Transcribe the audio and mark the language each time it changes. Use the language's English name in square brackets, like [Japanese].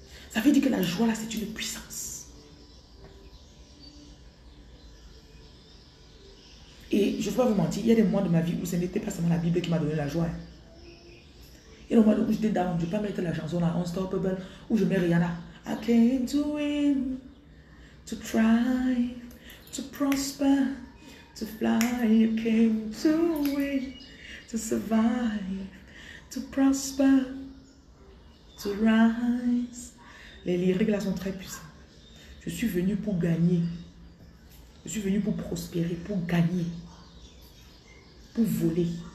[French] Ça veut dire que la joie là, c'est une puissance. Et je ne vais pas vous mentir, il y a des mois de ma vie où ce n'était pas seulement la Bible qui m'a donné la joie. Et le mois où j'étais down, je ne vais pas mettre la chanson là, Unstoppable, où je mets Rihanna. [English] I came to win, to try, to prosper, to fly. You came to win, to survive, to prosper, to rise. [French] Les lyriques là sont très puissantes. Je suis venu pour gagner. Je suis venu pour prospérer, pour gagner, pour voler.